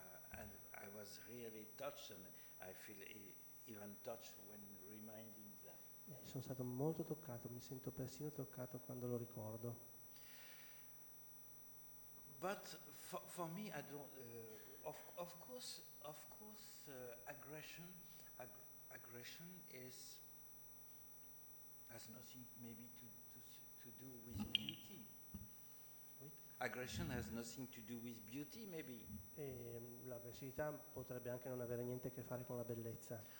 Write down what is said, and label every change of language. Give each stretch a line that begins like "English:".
English: And I was really touched, and I feel even touched when reminding that.
Italian: Sono stato molto toccato, mi sento persino toccato quando lo ricordo.
English: But for me, I don't. Of course, aggression. Aggression is has nothing maybe to do with beauty. Aggression has nothing to do with beauty, maybe.
Italian: E l'aggressività potrebbe anche non avere niente a che fare con la bellezza.